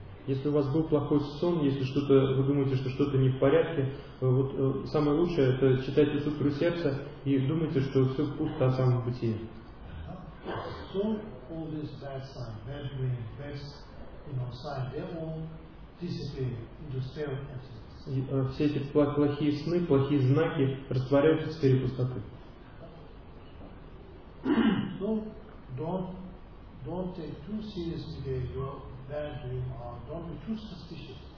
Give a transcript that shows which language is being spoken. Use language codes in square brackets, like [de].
[ru] Если у вас был плохой сон, если что-то, вы думаете, что что-то не в порядке, вот самое лучшее – это читайте сутру сердца и думайте, что все пусто о самом пути. [en] So, all these bad signs, bad dreams, bad, you know, signs, they all disappear into self-emptiness. [ru] Все эти плохие сны, плохие знаки растворяются в сфере пустоты. [en] So, don't take too seriously your bad dream, or don't be too suspicious.